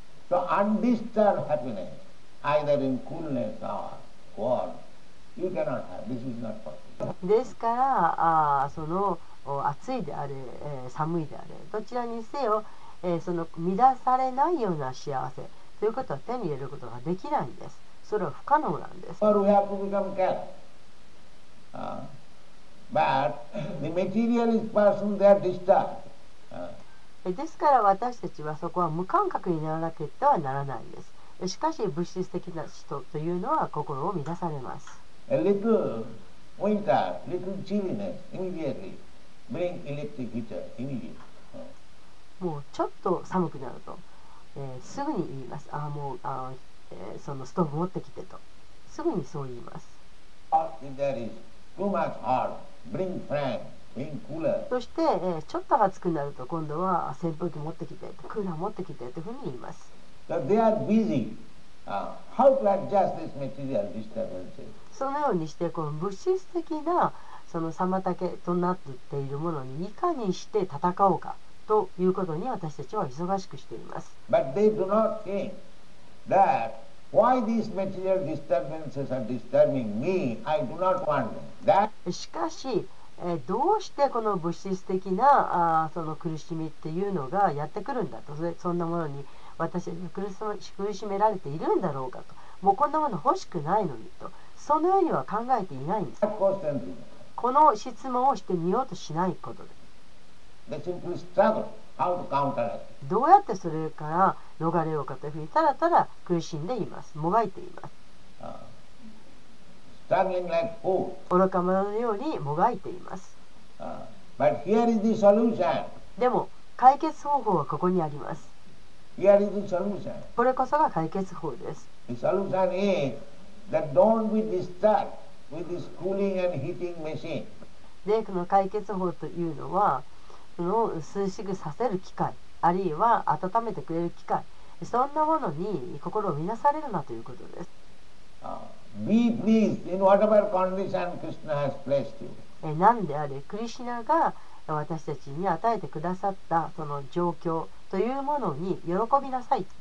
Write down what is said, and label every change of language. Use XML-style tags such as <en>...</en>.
<en>So undisturbed happiness, either in coolness or warmth, you cannot have. This is not possible.</en> <ja>ですから、その暑いであれ、寒いであれ、どちらにせよ、その乱されないような幸せということは手に入れることができないんです。それは不可能なんです。</ja> <en>Or we have to become careful. But the material is person, they are disturbed.</en> <ja>ですから私たちはそこは無感覚にならなくてはならないんです。しかし物質的な人というのは心を乱されます。</ja> <en>A little winter, little chilliness immediately bring electric heater immediately.</en> <ja>もうちょっと寒くなると、すぐに言います。ああもうあ、そのストーブ持ってきてとすぐにそう言います。</ja> <en>If there is too much hot, bring fan.</en> <ja>そして、ちょっと暑くなると今度は扇風機持ってきてクーラー持ってきてというふうに言います。</ja> <en>They are busy. How to adjust this material disturbance?</en> <ja>そのようにしてこの物質的なその妨げとなっているものにいかにして戦おうかということに私たちは忙しくしています。</ja> <en>But they do not think that why these material disturbances are disturbing me, I do not want them. That...</en> <ja>しかしどうしてこの物質的なその苦しみっていうのがやってくるんだと、そんなものに私が苦しめられているんだろうかと、もうこんなもの欲しくないのにと、そのようには考えていないんです。この質問をしてみようとしないことで、どうやってそれから逃れようかというふうにただただ苦しんでいます。もがいています。</ja> <en>Struggling like fool.</en> <ja>愚か者のようにもがいています。</ja> <en>But here is the solution.</en> <ja>でも解決方法はここにあります。</ja> <en>Here is the solution.</en> <ja>これこそが解決法です。</ja> <en>The solution is that don't be disturbed with this cooling and heating machine.</en> <ja>で、この解決法というのは、その涼しくさせる機械、あるいは温めてくれる機械、そんなものに心を乱されるなということです。</ja> <en>Be pleased in whatever condition Krishna has placed you.</en> <ja>何であれクリシナが私たちに与えてくださったその状況というものに喜びなさい。</ja>